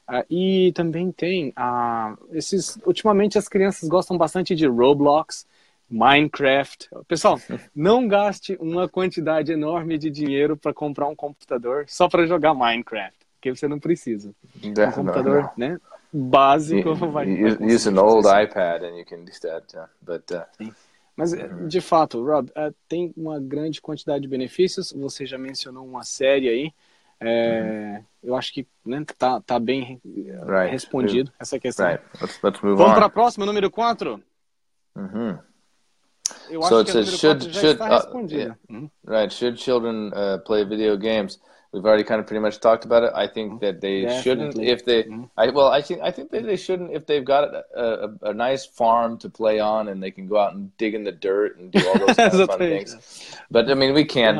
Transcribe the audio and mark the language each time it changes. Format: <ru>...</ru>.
<pt>E também tem... ultimamente as crianças gostam bastante de Roblox, Minecraft. Pessoal, não gaste uma quantidade enorme de dinheiro para comprar um computador só para jogar Minecraft, que você não precisa.</pt> <en>Definitely.</en> <pt>Um computador, né? Básico.</pt> <en>Use an old iPad and you can do that. Yeah.</en> <pt>Mas, de fato, Rob, tem uma grande quantidade de benefícios. Você já mencionou uma série aí. Eu acho que tá bem respondido essa questão.</pt> <en>Right. Let's move</en> <pt>Vamos para a próxima, número 4?</pt> <en>So it says, should children play video games? We've already kind of pretty much talked about it. I think that they shouldn't if they. I think that they shouldn't if they've got a nice farm to play on and they can go out and dig in the dirt and do all those kind of fun things. But I mean, we can't.</en>